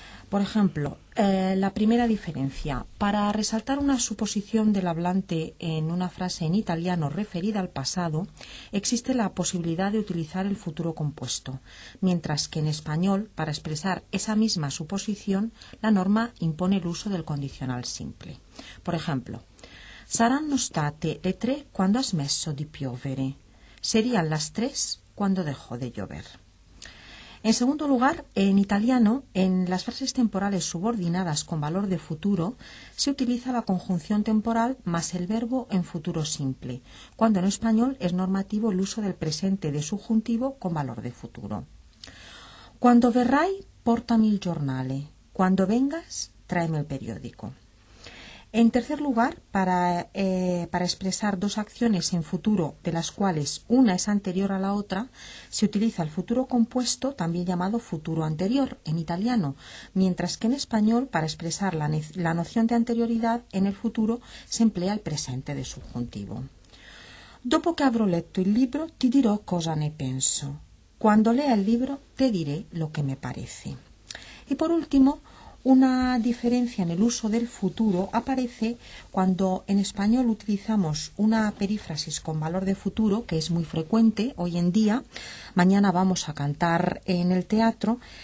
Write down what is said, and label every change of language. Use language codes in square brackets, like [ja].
[es] Por ejemplo, la primera diferencia. Para resaltar una suposición del hablante en una frase en italiano referida al pasado, existe la posibilidad de utilizar el futuro compuesto, mientras que en español, para expresar esa misma suposición, la norma impone el uso del condicional simple. Por ejemplo, [it] saranno state le tre quando ha smesso di piovere. [es] Serían las tres cuando dejó de llover. En segundo lugar, en italiano, en las frases temporales subordinadas con valor de futuro, se utiliza la conjunción temporal más el verbo en futuro simple, cuando en español es normativo el uso del presente de subjuntivo con valor de futuro. [it] Cuando verrai, portami il giornale. [es] Cuando vengas, tráeme el periódico. En tercer lugar, para expresar dos acciones en futuro de las cuales una es anterior a la otra, se utiliza el futuro compuesto, también llamado futuro anterior en italiano, mientras que en español, para expresar la noción de anterioridad en el futuro, se emplea el presente de subjuntivo. [it] Dopo che avrò letto il libro, ti dirò cosa ne penso. [es] Cuando lea el libro, te diré lo que me parece. Y por último, una diferencia en el uso del futuro aparece cuando en español utilizamos una perífrasis con valor de futuro, que es muy frecuente hoy en día, mañana vamos a cantar en el teatro.